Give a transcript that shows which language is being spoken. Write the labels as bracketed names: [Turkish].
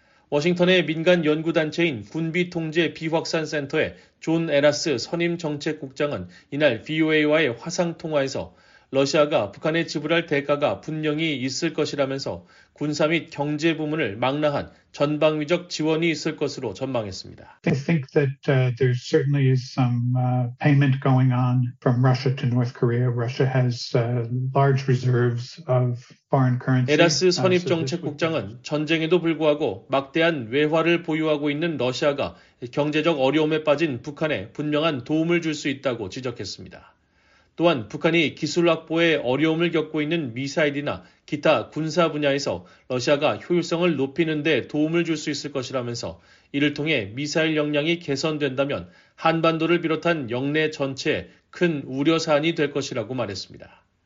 [Korean] 워싱턴의 민간 연구단체인 군비통제 비확산 센터의 존 에라스 선임정책국장은 이날 VOA와의 화상통화에서 러시아가 북한에 지불할 대가가 분명히 있을 것이라면서 군사 및 경제 부문을 망라한 전방위적 지원이 있을 것으로 전망했습니다. [English] I think that there certainly is some payment going on from Russia to North Korea. Russia has large reserves of foreign currency. [Korean] 에라스 선임정책국장은 전쟁에도 불구하고 막대한 외화를 보유하고 있는 러시아가 경제적 어려움에 빠진 북한에 분명한 도움을 줄 수 있다고 지적했습니다. 또한 북한이 기술 확보에 어려움을 겪고 있는 미사일이나 기타 군사 분야에서 러시아가 효율성을 높이는 데 도움을 줄 수 있을 것이라면서 이를 통해 미사일 역량이 개선된다면 한반도를 비롯한 영내 전체에 큰 우려 사안이 될 것이라고 말했습니다.